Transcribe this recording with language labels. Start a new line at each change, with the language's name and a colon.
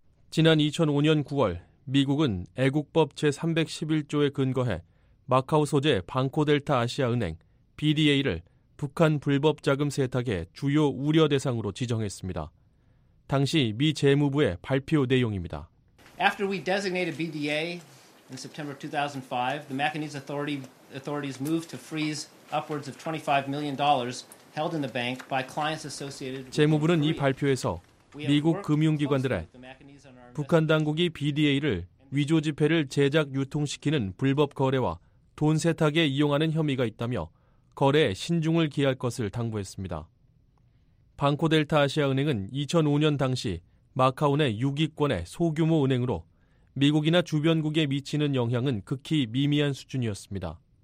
Korean: 지난 2005년 9월 미국은 애국법 제311조에 근거해 마카오 소재 방코델타 아시아은행 BDA를 북한 불법 자금 세탁의 주요 우려 대상으로 지정했습니다. 당시 미 재무부의 발표 내용입니다.
English: After we designated BDA in September 2005, the Macanese authorities moved to freeze upwards of $25 million held in the bank by clients associated with
Korean: 재무부는 이 발표에서 미국 금융기관들의 북한 당국이 BDA를 위조 지폐를 제작 유통시키는 불법 거래와 돈 세탁에 이용하는 혐의가 있다며 거래에 신중을 기할 것을 당부했습니다. 방코델타 아시아은행은 2005년 당시 마카오 내 6위권의 소규모 은행으로 미국이나 주변국에 미치는 영향은 극히 미미한 수준이었습니다.